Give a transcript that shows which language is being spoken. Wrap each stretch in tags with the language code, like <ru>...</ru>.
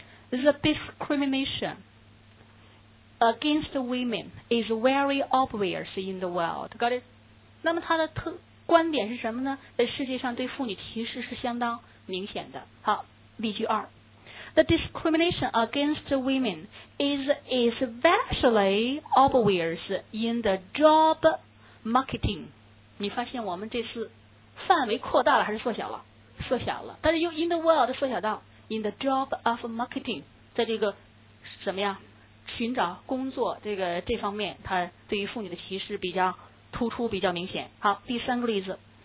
<en>The discrimination against women is very obvious in the world. Got it?</en> <zh>那么他的观点是什么呢？在世界上对妇女歧视是相当明显的。好，例句二。</zh> <en>The discrimination against women is especially obvious in the job marketing.</en> <zh>你发现我们这次范围扩大了还是缩小了？缩小了，但是用</zh> <en>in the world</en> <zh>缩小到</zh> <en>in the job of marketing，</en> <zh>在这个什么呀，寻找工作这方面，它对于妇女的歧视比较突出，比较明显。好，第三个例子。</zh>